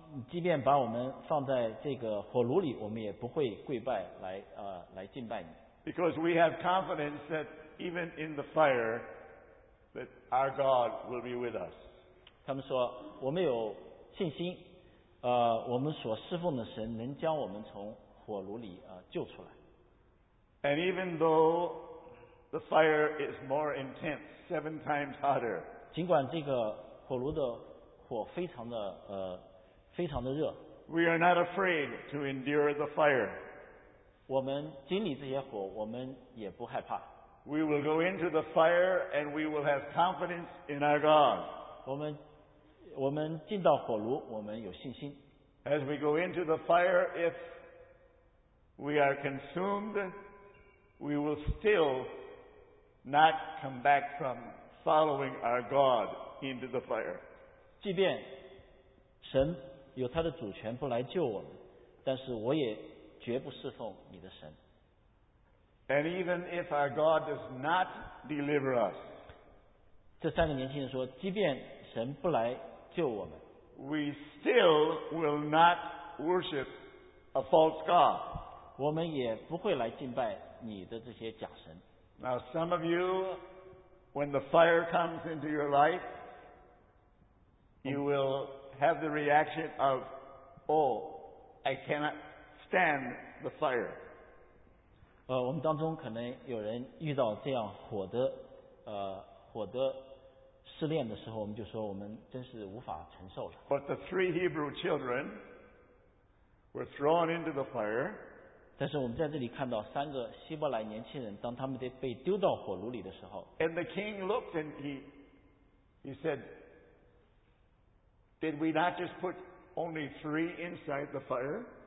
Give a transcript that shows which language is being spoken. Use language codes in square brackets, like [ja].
[zh] 即便把我们放在这个火炉里，我们也不会跪拜来敬拜你。 [en] Because we have confidence that even in the fire, that our God will be with us. [zh] 他们说，我们有信心，我们所侍奉的神能将我们从火炉里救出来。 [en] And even though the fire is more intense, seven times hotter. [zh] 尽管这个火炉的火非常的热。 [en] We are not afraid to endure the fire. [zh] 我们经历这些火，我们也不害怕。 [en] We will go into the fire and we will have confidence in our God. [zh] 我们进到火炉，我们有信心。 [en] As we go into the fire, if we are consumed, we will still not come back from following our God into the fire. [zh] 即便神有他的主权不来救我们，但是我也绝不侍奉你的神。 [en] And even if our God does not deliver us, [zh] 这三个年轻人说，即便神不来救我们， [en] we still will not worship a false God. [zh] 我们也不会来敬拜你的这些假神。 [en] Now some of you, when the fire comes into your life, you will have the reaction of, oh, I cannot stand the fire. [zh] 我们当中可能有人遇到这样火的试炼的时候，我们就说我们真是无法承受了。 [en] But the three Hebrew children were thrown into the fire. [zh] 但是我们在这里看到三个希伯来年轻人，当他们被丢到火炉里的时候， [en] And the king looked and he said,Did we not just put only three inside the fire?